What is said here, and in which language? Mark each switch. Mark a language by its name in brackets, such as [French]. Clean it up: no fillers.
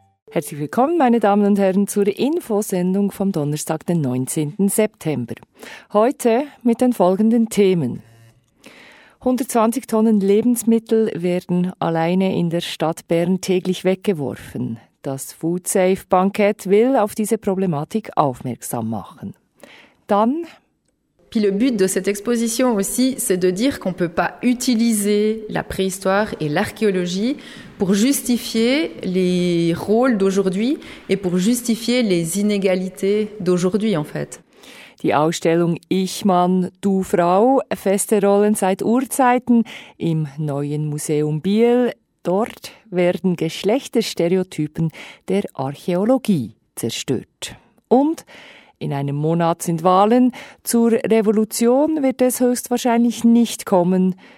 [German] Herzlich willkommen, meine Damen und Herren, zur Infosendung vom Donnerstag, den 19. September. Heute mit den folgenden Themen. 120 Tonnen Lebensmittel werden alleine in der Stadt Bern täglich weggeworfen. Das Foodsafe-Bankett will auf diese Problematik aufmerksam machen. Dann. [French] Puis le but de cette exposition aussi, c'est de dire qu'on ne peut pas utiliser la préhistoire et l'archéologie pour justifier les rôles d'aujourd'hui et pour justifier les inégalités d'aujourd'hui, en fait. [German] Die Ausstellung «Ich, Mann, du, Frau – Feste Rollen seit Urzeiten» im Neuen Museum Biel. Dort werden Geschlechterstereotypen der Archäologie zerstört. Und in einem Monat sind Wahlen. Zur Revolution wird es höchstwahrscheinlich nicht kommen.